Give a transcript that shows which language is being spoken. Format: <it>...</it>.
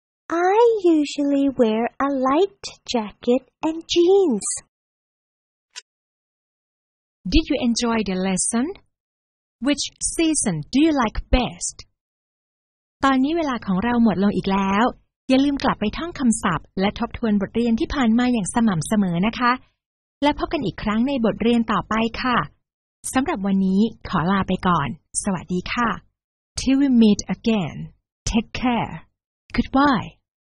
<en>I usually wear a light jacket and jeans. Did you enjoy the lesson? Which season do you like best?</en> <th>ตอนนี้เวลาของเราหมดลงอีกแล้วอย่าลืมกลับไปท่องคำศัพท์และทบทวนบทเรียนที่ผ่านมาอย่างสม่ำเสมอนะคะและพบกันอีกครั้งในบทเรียนต่อไปค่ะสำหรับวันนี้ขอลาไปก่อนสวัสดีค่ะ</th> <en>Till we meet again. Take care. Goodbye.</en>